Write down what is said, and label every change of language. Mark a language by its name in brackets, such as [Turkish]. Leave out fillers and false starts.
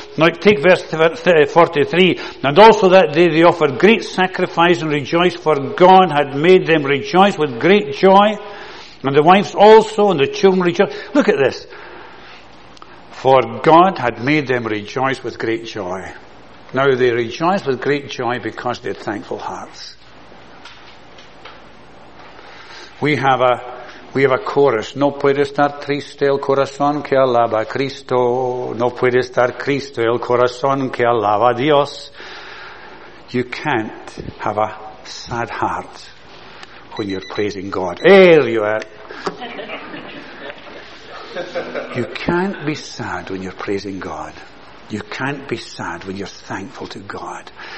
[English] Like take verse 43. And also that day they offered great sacrifice and rejoiced, for God had made them rejoice with great joy. And the wives also and the children rejoiced. Look at this. For God had made them rejoice with great joy. Now they rejoice with great joy because they had thankful hearts. We have a chorus. [Spanish] No puede estar triste el corazón que alaba a Cristo. No puede estar Cristo el corazón que alaba a Dios. [English] You can't have a sad heart when you're praising God. There you are. You can't be sad when you're praising God. You can't be sad when you're thankful to God.